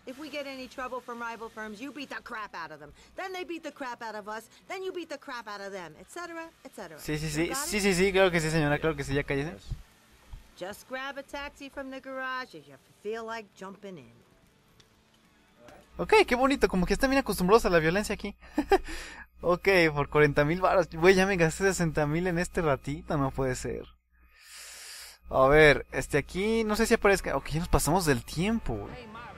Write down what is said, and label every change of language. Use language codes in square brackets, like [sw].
[en] If we get any trouble from rival firms, you beat the crap out of them. Then they beat the crap out of us. Then you beat the crap out of them, etc., etc. [es] Sí, claro que sí, señora, claro que sí, ya cállese. [en] Just grab a taxi from the garage if you feel like jumping in. [es] Ok, qué bonito, como que están bien acostumbrados a la violencia aquí. Ok, por 40,000 baros. Güey, ya me gasté 60,000 en este ratito, no puede ser. A ver, aquí, no sé si aparezca. Ok, ya nos pasamos del tiempo, güey.